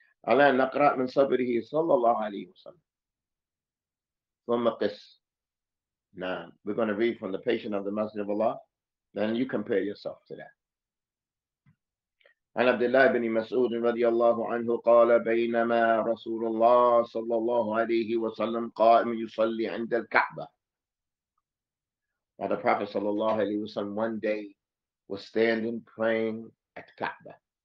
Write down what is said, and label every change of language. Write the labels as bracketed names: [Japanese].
[Arabic] الآن نقرأ من صبره صلى الله عليه وسلم ثم قس. نعم. [English] We're going to read from the patience of the Messenger of Allah. Then you compare yourself to that. [Arabic] عن عبد الله بن مسعود رضي الله عنه قال بينما رسول الله صلى الله عليه وسلم قائم يصلي عند الكعبة. [English] The Prophet صلى الله عليه وسلم one day was standing praying at Kaaba.